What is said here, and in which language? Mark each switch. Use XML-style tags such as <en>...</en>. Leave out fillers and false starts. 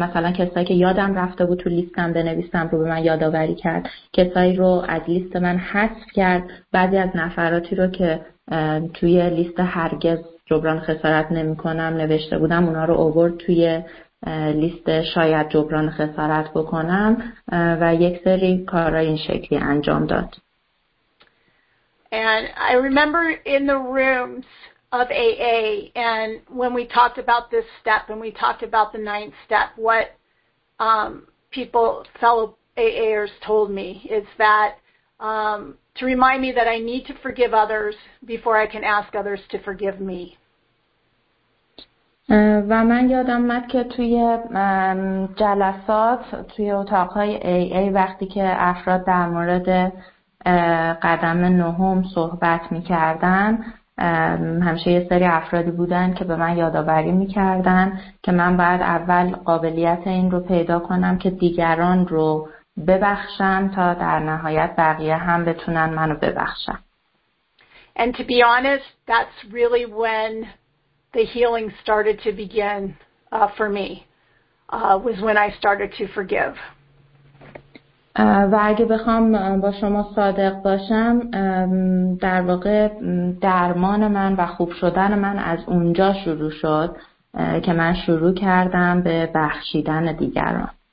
<fa>مثلا کسایی که یادم رفته بود تو لیستم بنویسم رو به من یادآوری کرد، کسایی رو از لیست من حذف کرد، بعضی از نفراتی رو که توی لیست هرگز جبران خسارت نمی کنم نوشته بودم اونا رو آورد توی لیست شاید جبران خسارت بکنم و یک سری کارا این شکلی انجام داد.</fa> <en>And I remember in the rooms of AA and when we talked about this step and we talked about the ninth step, what people, fellow AAers told me is that to remind me that I need to forgive others before I can ask others to forgive me.</en> <fa>و من یادم اومد که توی جلسات توی اتاقهای AA وقتی که افراد در مورد قدم نهم صحبت میکردن همیشه یه سری افرادی بودن که به من یادآوری میکردن که من باید اول قابلیت این رو پیدا کنم که دیگران رو ببخشم تا در نهایت بقیه هم بتونن منو ببخشن.</fa> <en>And to be honest, that's really when the healing started to begin for me, was when I started to forgive.</en> <fa>و اگه بخوام با شما صادق باشم در واقع درمان من و خوب شدن من از اونجا شروع شد که من شروع کردم به بخشیدن دیگران.</fa>